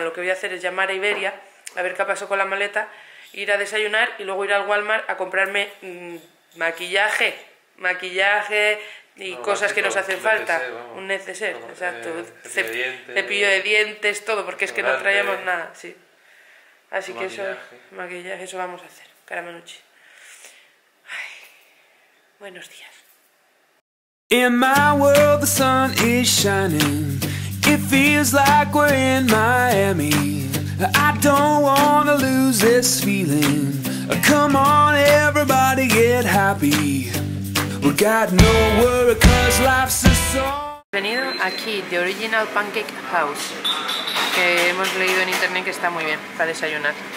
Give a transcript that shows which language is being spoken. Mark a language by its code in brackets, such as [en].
[es] Lo que voy a hacer es llamar a Iberia a ver qué pasó con la maleta, ir a desayunar y luego ir al Walmart a comprarme maquillaje. Maquillaje y no, cosas que nos hacen un falta. Un neceser, vamos. Un neceser, exacto. Cepillo de dientes, todo, porque es que no traíamos nada. Sí. Así que maquillaje. Maquillaje, eso vamos a hacer. Caramanucci. Ay, buenos días. [en] In my world the sun is shining. It feels like we're in Miami. I don't wanna lose this feeling. Come on everybody get happy. We got no worry cause life's a song. [es] Bienvenido aquí de Original Pancake House, que hemos leído en internet que está muy bien para desayunar.